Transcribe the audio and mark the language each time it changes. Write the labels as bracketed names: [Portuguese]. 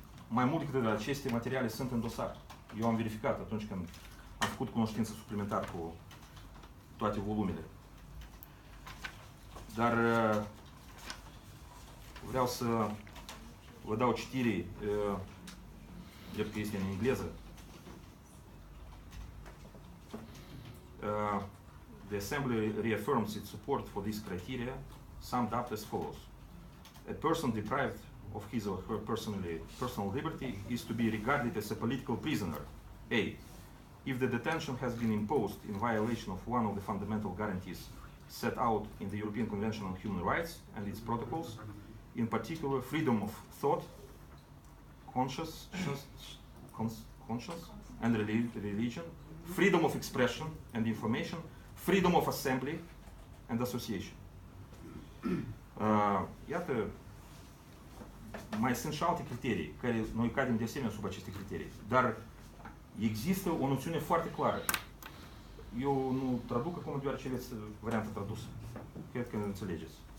[Romanian] mai mult decât atât, aceste materiale sunt în dosar. Eu am verificat atunci când am făcut cunoștință suplimentar cu toate volumele. Dar vreau să vă dau citire, cred că este în engleză. [English] The Assembly reaffirms its support for this criteria, summed up as follows. A person deprived of his or her personal liberty is to be regarded as a political prisoner. A. If the detention has been imposed in violation of one of the fundamental guarantees set out in the European Convention on Human Rights and its protocols, in particular freedom of thought, conscience, and religion, freedom of expression and information, freedom of assembly and association. [Romanian] Iată, mai sunt și alte criterii, care noi cadem de asemenea sub aceste criterii, dar există o noțiune foarte clară. Eu nu traduc acum, deoarece aveți varianta tradusă. Cred că nu înțelegeți.